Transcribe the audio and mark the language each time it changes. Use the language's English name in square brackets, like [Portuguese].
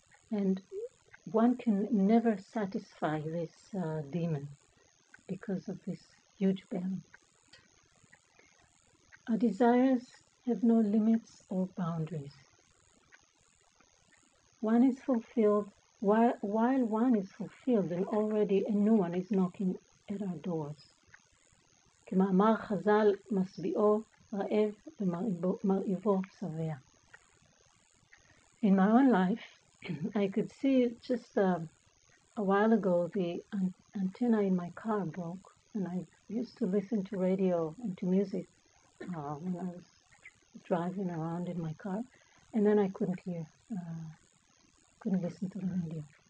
[English] And one can never satisfy this demon because of this huge belly. Our desires have no limits or boundaries. One is fulfilled, while one is fulfilled, and already a new one is knocking at our doors. [Hebrew] כמאמר חז"ל, משביעו רעב ומרעיבו שבע. [English] In my own life, I could see just a while ago the antenna in my car broke, and I used to listen to radio and to music when I was driving around in my car, and then I couldn't hear, couldn't listen to the radio.